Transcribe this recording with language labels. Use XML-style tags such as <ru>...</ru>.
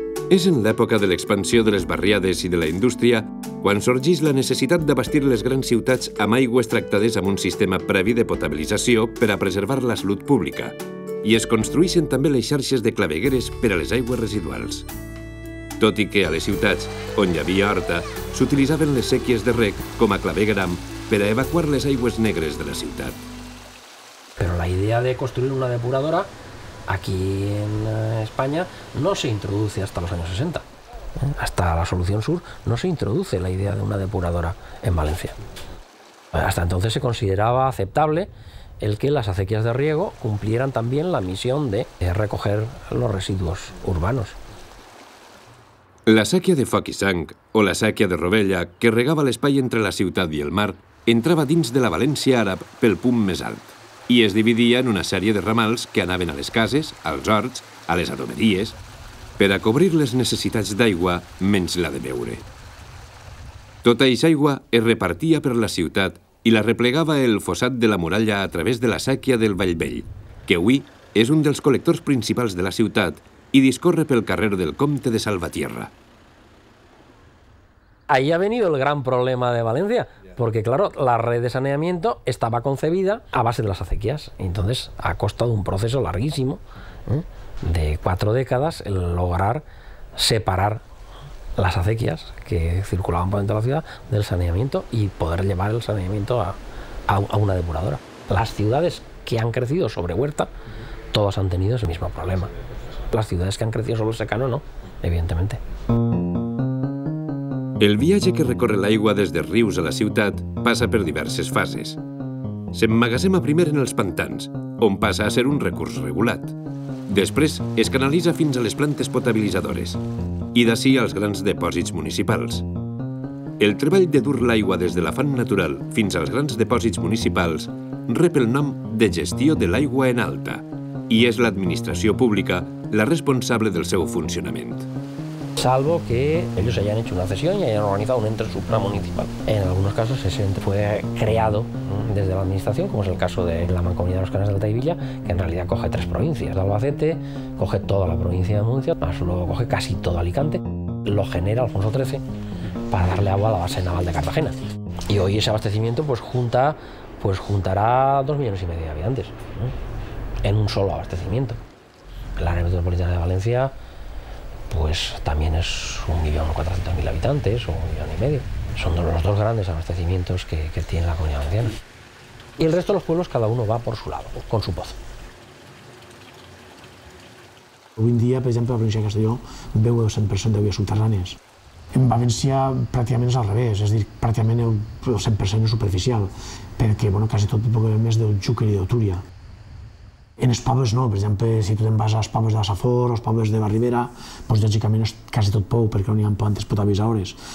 <ca>És en l'època de l'expansió de les barriades i de la indústria quan sorgeix la necessitat d'abastir les grans ciutats amb aigües tractades amb un sistema previ de potabilització per a preservar la salut pública. I es construeixen també les xarxes de clavegueres per a les aigües residuals. Tot i que a les ciutats, on hi havia horta, s'utilitzaven les séquies de rec com a clavegram per a evacuar les aigües negres de la ciutat.</ca> <es>Però la idea de construir una depuradora aquí en España no se introduce hasta los años 60. Hasta la Solución Sur no se introduce la idea de una depuradora en Valencia. Hasta entonces se consideraba aceptable el que las acequias de riego cumplieran también la misión de recoger los residuos urbanos.</es> <ca>La séquia de Foc i Sang, o la séquia de Robella, que regava l'espai entre la ciutat i el mar, entrava dins de la València àrab pel punt més alt. I es dividia en una sèrie de ramals que anaven a les cases, als horts, a les adoberies, per a cobrir les necessitats d'aigua menys la de beure. Tota aquesta aigua es repartia per la ciutat i la replegava el fossat de la muralla a través de la séquia del Vallvell, que avui és un dels col·lectors principals de la ciutat i discorre pel carrer del Comte de Salvatierra.</ca> <es>Ahí ha venido el gran problema de Valencia, porque claro, la red de saneamiento estaba concebida a base de las acequias. Entonces, ha costado un proceso larguísimo, de 4 décadas, el lograr separar las acequias que circulaban por dentro de la ciudad del saneamiento y poder llevar el saneamiento a una depuradora. Las ciudades que han crecido sobre huerta, todas han tenido ese mismo problema. Las ciudades que han crecido sobre secano, no, evidentemente.</es> <ca>El viatge que recorre l'aigua des de rius a la ciutat passa per diverses fases. S'emmagasema primer en els pantans, on passa a ser un recurs regulat. Després es canalitza fins a les plantes potabilitzadores i d'ací als grans depòsits municipals. El treball de dur l'aigua des de la font natural fins als grans depòsits municipals rep el nom de gestió de l'aigua en alta i és l'administració pública la responsable del seu funcionament.</ca> <es>Salvo que ellos hayan hecho una cesión y hayan organizado un ente supramunicipal. En algunos casos ese ente fue creado desde la administración, como es el caso de la Mancomunidad de los Canales de Alta Ibilla, que en realidad coge tres provincias. Albacete coge toda la provincia de Murcia, más luego coge casi todo Alicante. Lo genera Alfonso XIII para darle agua a la base naval de Cartagena. Y hoy ese abastecimiento juntará 2,5 millones de habitantes, ¿no?, en un solo abastecimiento. La área metropolitana de Valencia pues también es 1,4 millones de habitantes o 1,5 millones. Son los dos grandes abastecimientos que tiene la Comunidad Valenciana. Y el resto de los pueblos cada uno va por su lado, con su pozo.</es> <ca>Avui dia, per exemple, la província de Castelló beu 200% d'aigües subterrànies. En València, pràcticament és al revés, és a dir, pràcticament el 100% és superficial, perquè, bueno, quasi tot beu més del Xúquer i de Túria. En els pobles no, per exemple, si tu te'n vas als pobles de la Safor, als pobles de la Ribera, doncs lògicament és quasi tot pou, perquè no hi ha plantes potables a hores.</ca>